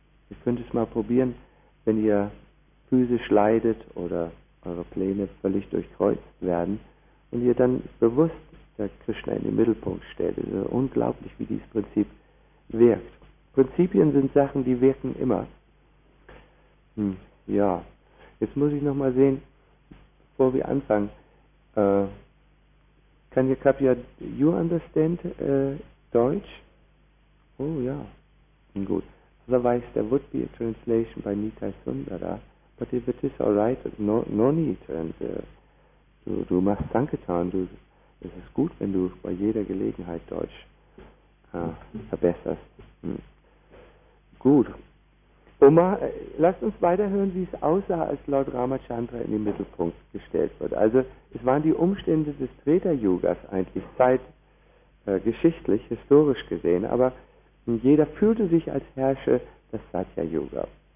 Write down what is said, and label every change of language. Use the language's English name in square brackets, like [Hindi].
[German] Ihr könnt es mal probieren, wenn ihr physisch leidet oder eure Pläne völlig durchkreuzt werden und ihr dann bewusst der Krishna in den Mittelpunkt stellt. Es ist unglaublich, wie dieses Prinzip wirkt. Prinzipien sind Sachen, die wirken immer. Ja, jetzt muss ich nochmal sehen, bevor wir anfangen. [English] Can you, Kapya, you understand Deutsch? [German] Oh ja, gut. [English] Otherwise there would be a translation by Nitai Sundara. But if it is all right, no need. And, [German] du machst Sankirtan. Es ist gut, wenn du bei jeder Gelegenheit Deutsch verbesserst. Gut. Omar, lasst uns weiterhören, wie es aussah, als Lord Ramachandra in den Mittelpunkt gestellt wird. Also es waren die Umstände des Treta-Yugas eigentlich zeitgeschichtlich, historisch gesehen, aber jeder fühlte sich als Herrscher des Satya-Yuga.